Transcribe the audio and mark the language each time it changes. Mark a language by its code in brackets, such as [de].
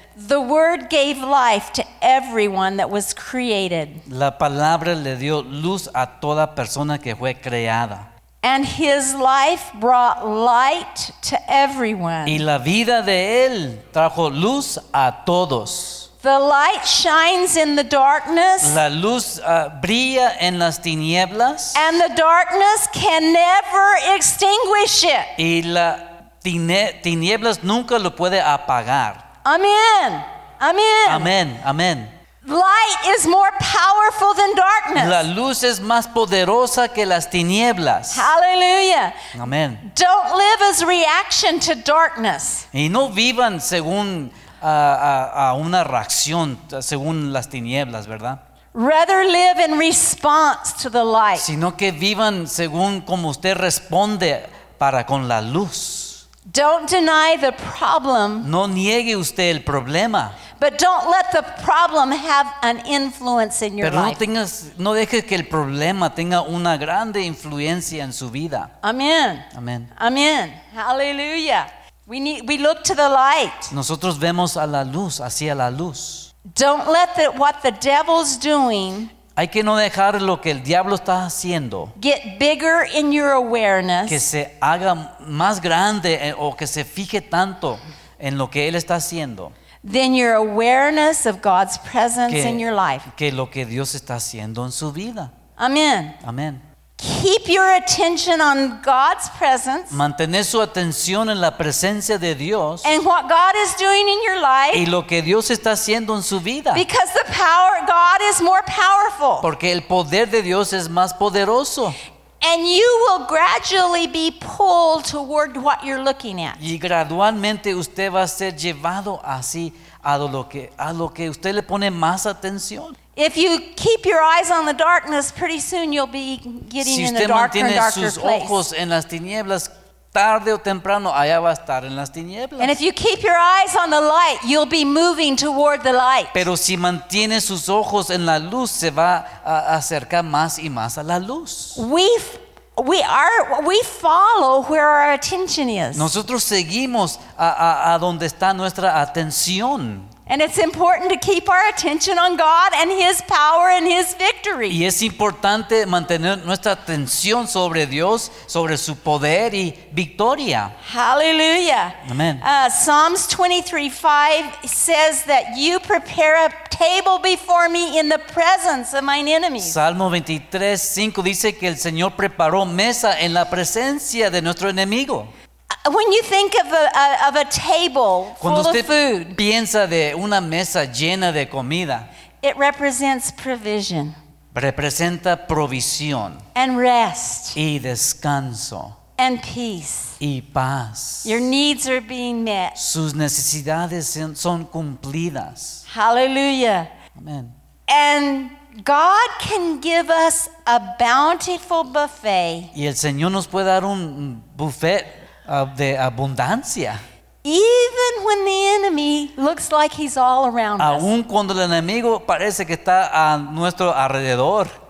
[en] the word gave life to everyone that was created. [es] La palabra le dio luz a toda persona que fue creada. [en] And his life brought light to everyone. [es] Y la vida de él trajo luz a todos. [en] The light shines in the darkness. [es] La luz brilla en las tinieblas. [en] And the darkness can never extinguish it. [es] Y la tinieblas nunca lo puede apagar. Amen. Amen. Amen. Amen. [en] Light is more powerful than darkness. [es] La luz es más poderosa que las tinieblas. Hallelujah. Amen. [en] Don't live as reaction to darkness. [es] Y no vivan según a una reacción según las tinieblas, ¿verdad? [en] Rather live in response to the light. [es] Sino que vivan según como usted responde para con la luz. [en] Don't deny the problem. [es] No niegue usted el problema. [en] But don't let the problem have an influence in your life. [es] Pero tengas, no deje que el problema tenga una grande influencia en su vida. Amen. Amen. [en] Amen. Hallelujah. We look to the light. [es] Nosotros vemos a la luz, hacia la luz. [en] Don't let what the devil's doing. [es] Hay que no dejar lo que el diablo está haciendo. [en] Get bigger in your awareness. [es] Que se haga más grande o que se fije tanto en lo que él está haciendo. [en] Than your awareness of God's presence in your life. [es] Que lo que Dios está haciendo en su vida. Amen. Amen. [en] Keep your attention on God's presence. [es] Mantener su atención en la presencia de Dios. [en] And what God is doing in your life. [es] Y lo que Dios está haciendo en su vida. [en] Because the power God is more powerful. [es] Porque el poder de Dios es más poderoso. [en] And you will gradually be pulled toward what you're looking at. [es] Y gradualmente usted va a ser llevado así a lo que usted le pone más atención. [en] If you keep your eyes on the darkness, pretty soon you'll be getting [es] si [en] in the darker and darker place. [es] Si usted mantiene sus ojos en las tinieblas, tarde o temprano allá va a estar en las tinieblas. [en] And if you keep your eyes on the light, you'll be moving toward the light. [es] Pero si mantiene sus ojos en la luz, se va a acercar más y más a la luz. [en] We follow where our attention is. [es] Nosotros seguimos a donde está nuestra atención. [en] And it's important to keep our attention on God and His power and His victory. [es] Y es importante mantener nuestra atención sobre Dios, sobre su poder y victoria. Hallelujah. Amen. [en] Psalms 23:5 says that you prepare a table before me in the presence of mine enemies. [es] Salmo 23:5 dice que el Señor preparó mesa en la presencia de nuestro enemigo. [en] When you think of a table full of food, [es] piensa de una mesa llena de comida, [en] it represents provision. [es] Representa provisión. [en] And rest. [es] Y descanso. [en] And peace. [es] Y paz. [en] Your needs are being met. [es] Sus necesidades son cumplidas. Hallelujah. Amen. [en] And God can give us a bountiful buffet. [es] Y el Señor nos puede dar un buffet de abundancia. [en] Even when the enemy looks like he's all around us. [es] Aun cuando el enemigo parece que está a nuestro alrededor.